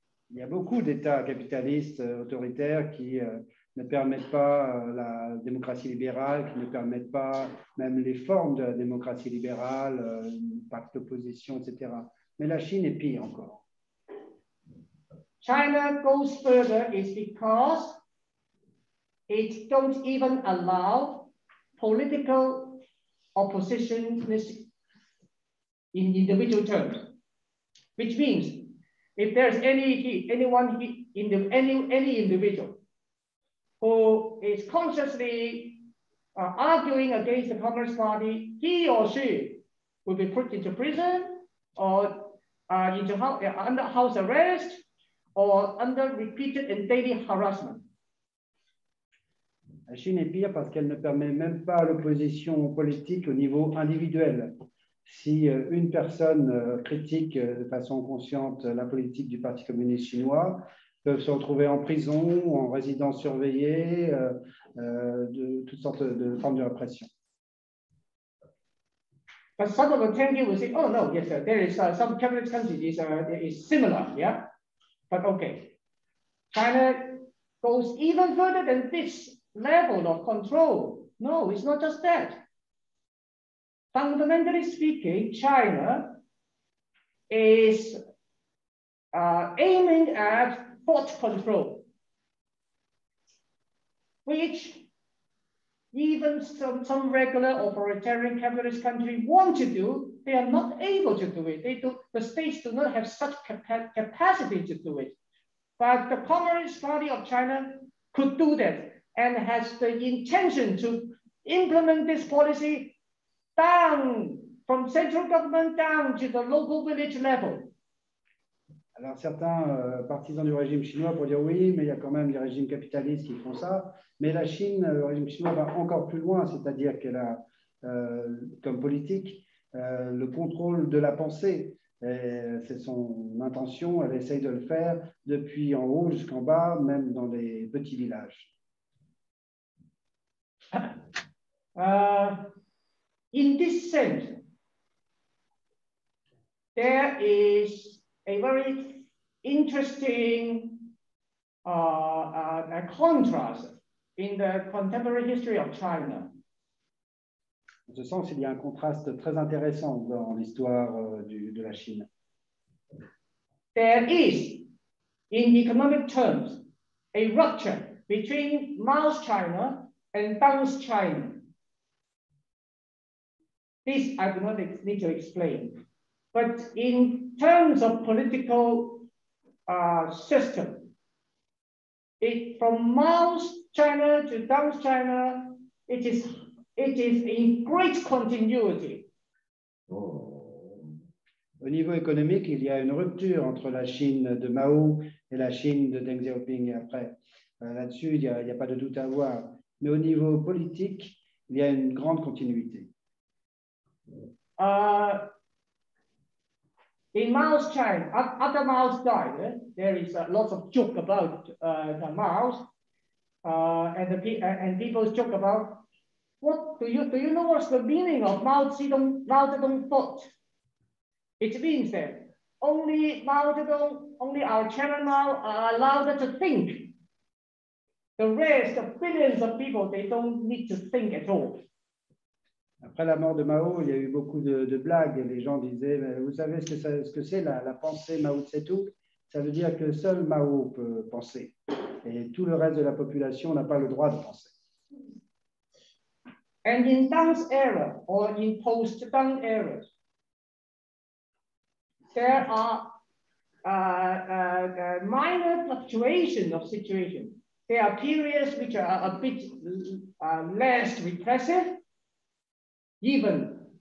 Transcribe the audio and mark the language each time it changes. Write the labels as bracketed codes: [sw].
[fr] Il y a beaucoup d'États capitalistes autoritaires qui ne permettent pas la démocratie libérale, qui ne permettent pas même les formes de la démocratie libérale, pacte d'opposition, etc. Mais la Chine est pire encore. [en] China goes further is because it don't even allow political opposition in individual terms, which means if there's any individual who is consciously arguing against the Communist Party, he or she will be put into prison or under house arrest or under repeated and daily harassment. [fr] La Chine est pire parce qu'elle ne permet même pas l'opposition politique au niveau individuel. Si une personne critique de façon consciente la politique du Parti communiste chinois, peuvent se retrouver en prison ou en résidence surveillée, de toutes sortes de formes de répression. [en] But some of the tangy will say, oh no, yes, sir. There is some capitalist countries is similar, yeah? But okay, China goes even further than this level of control. No, it's not just that. Fundamentally speaking, China is aiming at thought control, which even some regular authoritarian capitalist country want to do, they are not able to do it. The states do not have such capacity to do it. But the Communist Party of China could do that and has the intention to implement this policy down from central government down to the local village level. [fr] Alors certains partisans du régime chinois pour dire oui, mais il y a quand même des régimes capitalistes qui font ça. Mais la Chine, le régime chinois va encore plus loin, c'est-à-dire qu'elle a comme politique le contrôle de la pensée. Et c'est son intention, elle essaye de le faire depuis en haut jusqu'en bas, même dans les petits villages. [en] In this sense, there is a very interesting a contrast in the contemporary history of China. [fr] En ce sens, il y a un contraste très intéressant dans l'histoire de la Chine. [en] There is, in economic terms, a rupture between Mao's China and Deng's China. This I do not need to explain. But in terms of political system, from Mao's China to Deng's China, it is in great continuity. [fr] Au niveau économique, il y a une rupture entre la Chine de Mao et la Chine de Deng Xiaoping. Et après, là-dessus, il y a pas de doute à avoir. Mais au niveau politique, il y a une grande continuité. [en] In Mao's China, after Mao's died, there is lots of joke about the Mao, and people's joke about what do you know what's the meaning of Mao Zedong thought? It means that only our chairman Mao are allowed to think. The rest, the billions of people, they don't need to think at all. [fr] Après la mort de Mao, il y a eu beaucoup de blagues. Les gens disaient, vous savez ce que c'est la pensée Mao Tse-tung? Ça veut dire que seul Mao peut penser. Et tout le reste de la population n'a pas le droit de penser. [en] And in Deng's era, or in post-Deng era, there are minor fluctuations of situation. There are periods which are a bit less repressive, even